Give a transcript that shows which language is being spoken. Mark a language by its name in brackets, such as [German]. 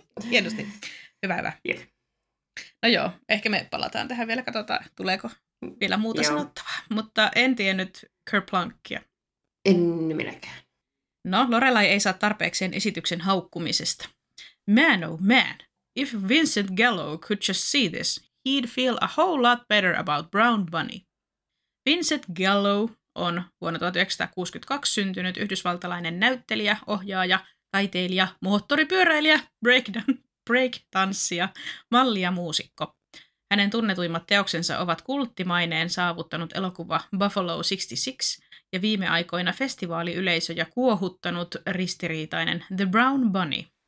[Finnish] Hienosti. Hyvä, hyvä. Yeah. No joo, ehkä me palataan tähän vielä, katsotaan, tuleeko vielä muuta sanottavaa. Mutta en tiennyt Kerplunkia. En minäkään. No, Lorelai ei saa tarpeekseen esityksen haukkumisesta. [English] Man, oh man, if Vincent Gallo could just see this, he'd feel a whole lot better about Brown Bunny. [Finnish] Vincent Gallo on vuonna 1962 syntynyt yhdysvaltalainen näyttelijä, ohjaaja, taiteilija, moottoripyöräilijä, breaktanssija, malli ja muusikko. Hänen tunnetuimmat teoksensa ovat kulttimaineen saavuttanut elokuva Buffalo 66 ja viime aikoina festivaaliyleisö ja kuohuttanut ristiriitainen The Brown Bunny.